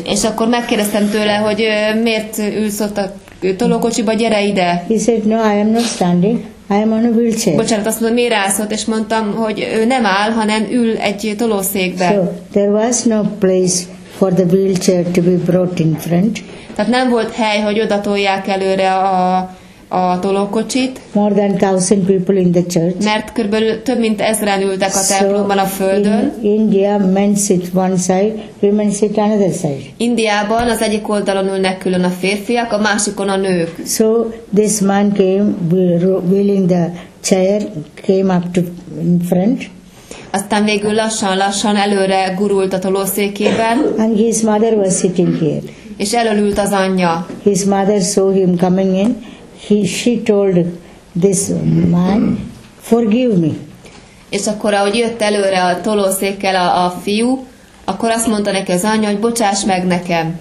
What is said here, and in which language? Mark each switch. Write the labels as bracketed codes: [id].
[hu] És akkor megkérdeztem tőle, hogy miért ülsz ott a tolókocsiba, gyere ide. [en] He said, no, I am not standing, I am on a wheelchair. [hu] Bocsánat, azt mondom, miért állsz ott, és mondtam, hogy ő nem áll, hanem ül egy tolószékbe. [en] So, there was no place for the wheelchair to be brought in front. [hu] Tehát nem volt hely, hogy oda tolják előre a tolókocsit. [en] More than 1,000 people in the church. [hu] Mert körülbelül több mint 1,000 ültek a templomban a földön. [en] So, in India, men sit one side, women sit another side. [hu] Indiában az egyik oldalon ülnek külön a férfiak, a másikon a nők. [en] So, this man came, wheeling the chair, came up to in front. [hu] Aztán végül lassan-lassan előre gurult a tolószékében. [en] And his mother was sitting here. [hu] És elől ült az anyja. [en] His mother saw him coming in. She told this man, forgive me. [hu] És akkor, ahogy jött előre a tolószékkel a fiú, akkor azt mondta neki az anyja, hogy bocsáss meg nekem.